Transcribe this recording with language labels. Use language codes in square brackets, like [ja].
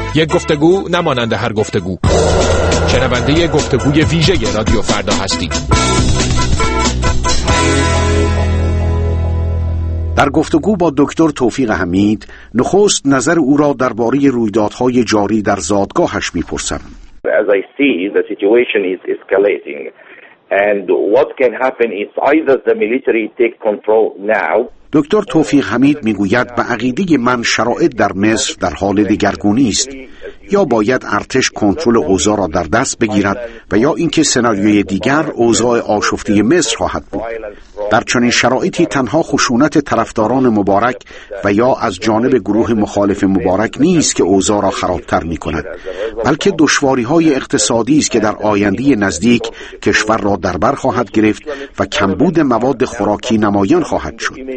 [fa] یک گفتگو نماننده هر گفتگو. شنونده گفتگوی ویژه رادیو فردا هستید. در گفتگو با دکتر توفیق حمید، نخست نظر او را درباره رویدادهای جاری در زادگاهش می‌پرسم. [en] As I see, the situation is escalating and what can happen is either the military take control now. [fa] دکتر توفیق حمید میگوید به عقیده من شرایط در مصر در حال دگرگونی است، یا باید ارتش کنترل اوضاع را در دست بگیرد و یا اینکه سناریوی دیگر اوضاع آشفته مصر خواهد بود. در چنین شرایطی تنها خشونت طرفداران مبارک و یا از جانب گروه مخالف مبارک نیست که اوضاع را خرابتر می کند، بلکه دشواری های اقتصادی است که در آینده نزدیک کشور را دربر خواهد گرفت و کمبود مواد خوراکی نمایان خواهد شد.